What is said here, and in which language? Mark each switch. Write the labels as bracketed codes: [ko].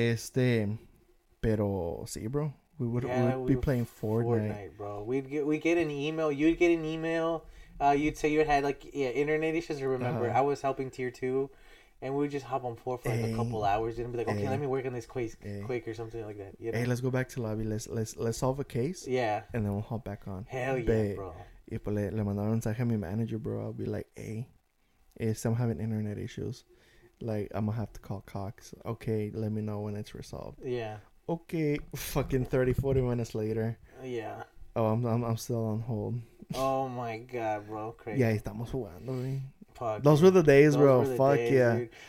[es] pero sí, [en] bro. We would be playing Fortnite, bro. We'd get an email. You'd get an email. You'd say you had like internet issues. Remember, I was helping Tier 2. And we would just hop on floor for like a couple hours and be like, okay, let me work on this quick or something like that. You know? Hey, let's go back to lobby. Let's solve a case. Yeah. And then we'll hop back on. Hell yeah, bro. [es] Y pues le mandaron un mensaje a mi manager, bro. [en] I'll be like, hey, if I'm having internet issues, like, I'm going to have to call Cox. Okay, let me know when it's resolved. Yeah. Okay, fucking 30, 40 minutes later. Yeah. Oh, I'm still on hold. Oh, my God, bro. Crazy. Yeah, [es] estamos jugando, [en] man. Those were the days, bro. Fuck yeah.